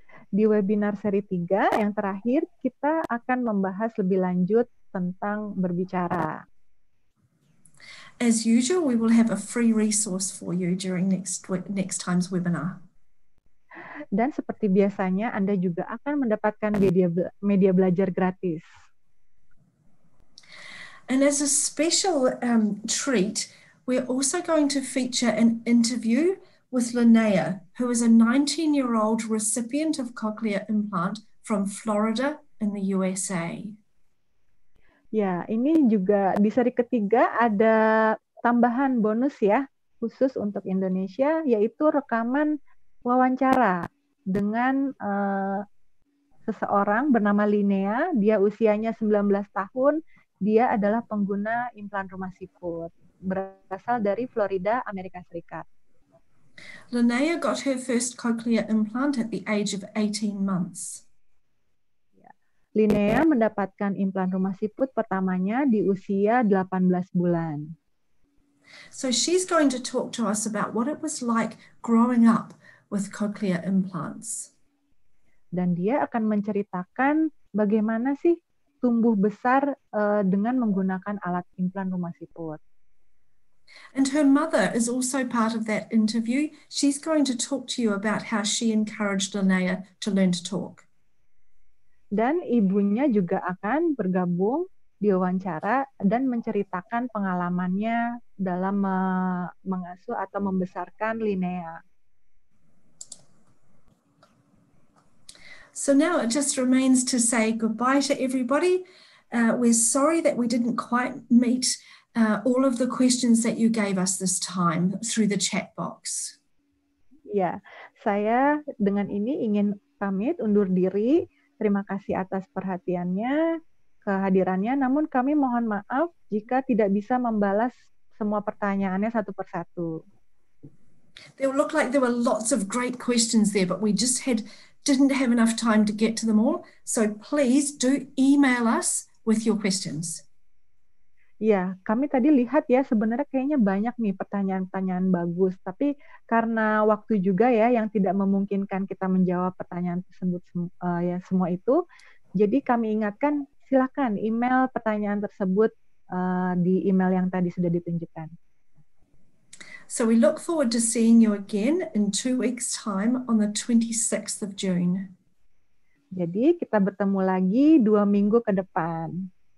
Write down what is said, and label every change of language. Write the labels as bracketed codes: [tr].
[id] Di webinar seri 3 yang terakhir, kita akan membahas lebih lanjut tentang berbicara. [en] As usual, we will have a free resource for you during next time's webinar. [id] Dan seperti biasanya, Anda juga akan mendapatkan media belajar gratis. [en] And as a special treat, we're also going to feature an interview with Linnea, who is a 19-year-old recipient of cochlear implant from Florida in the USA. [id] Ya, ini juga di seri ketiga ada tambahan bonus ya, khusus untuk Indonesia, yaitu rekaman wawancara dengan seseorang bernama Linnea. Dia usianya 19 tahun, dia adalah pengguna implan rumah Siput, berasal dari Florida, Amerika Serikat. [en] Linnea got her first cochlear implant at the age of 18 months. [id] Linnea mendapatkan implan rumah Siput pertamanya di usia 18 bulan. [en] So she's going to talk to us about what it was like growing up with cochlear implants. [id] Dan dia akan menceritakan bagaimana sih tumbuh besar dengan menggunakan alat implan rumah Siput. [en] And her mother is also part of that interview. She's going to talk to you about how she encouraged Linnea to learn to talk. [id] Dan ibunya juga akan bergabung di wawancara dan menceritakan pengalamannya dalam mengasuh atau membesarkan Linnea. [en] So now it just remains to say goodbye to everybody. We're sorry that we didn't quite meet all of the questions that you gave us this time through the chat box. [id] Ya, saya dengan ini ingin pamit undur diri. Terima kasih atas perhatiannya, kehadirannya. Namun kami mohon maaf jika tidak bisa membalas semua pertanyaannya satu persatu. [en] There looked like there were lots of great questions there, but we just didn't have enough time to get to them all. So please do email us with your questions. [id] Ya, kami tadi lihat ya, sebenarnya kayaknya banyak nih pertanyaan-pertanyaan bagus. Tapi karena waktu juga ya yang tidak memungkinkan kita menjawab pertanyaan tersebut semua itu, jadi kami ingatkan, silakan email pertanyaan tersebut di email yang tadi sudah ditunjukkan. [en] So we look forward to seeing you again in 2 weeks time on the 26th of June. [id] Jadi kita bertemu lagi 2 minggu ke depan.